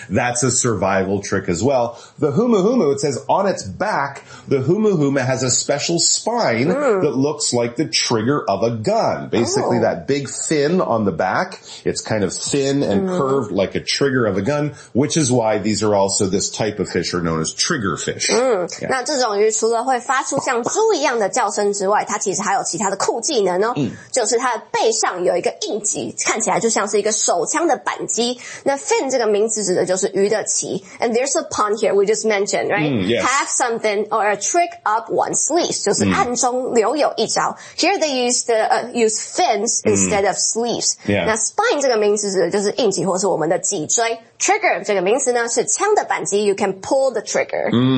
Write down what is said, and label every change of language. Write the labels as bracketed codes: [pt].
[en] That's a survival trick as well. The humuhumu, it says on its back, the humuhumu has a special spine that looks like the trigger of a gun. Basically that big fin on the back. It's kind of thin and curved like a trigger of a gun, which is why these are also this type of fish are known as trigger fish. [zh] 那这种鱼除了会发出像猪一样的叫声之外，它其实还有其他的酷技能哦。就是它的背上有一个硬棘，看起来就像是一个手枪的扳机。那 fin 这个名词指的就是鱼的鳍。 [en] And there's a pun here we just mentioned, right? Have something or a trick up one's sleeve, [zh] 就是暗中留有一招。 [en] Here they use the use fins instead of sleeves. Yeah. [zh] 那 spine 这个名词就是硬脊或是我们的脊椎 Trigger 这个名词呢是枪的扳机 [en] You can pull the trigger